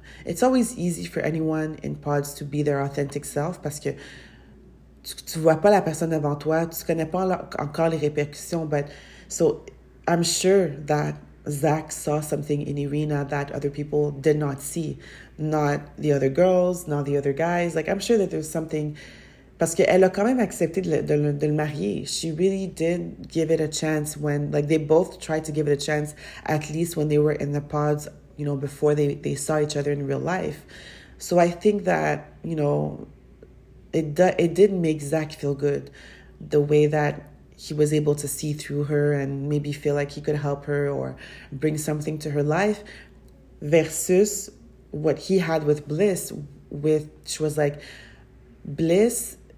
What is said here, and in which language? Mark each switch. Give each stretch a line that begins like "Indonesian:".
English: It's always easy for anyone in pods to be their authentic self
French: parce que tu vois pas la personne devant toi, tu connais pas encore les répercussions.
English: But so I'm sure that Zach saw something in Irina that other people did not see. Not the other girls, not the other guys. Like, I'm sure that there's something...
French: Parce qu'elle a quand même accepté de le marier.
English: She really did give it a chance when, like, they both tried to give it a chance, at least when they were in the pods, you know, before they saw each other in real life. So I think that, you know, it did make Zach feel good, the way that he was able to see through her and maybe feel like he could help her or bring something to her life, versus what he had with Bliss, which was like, Bliss...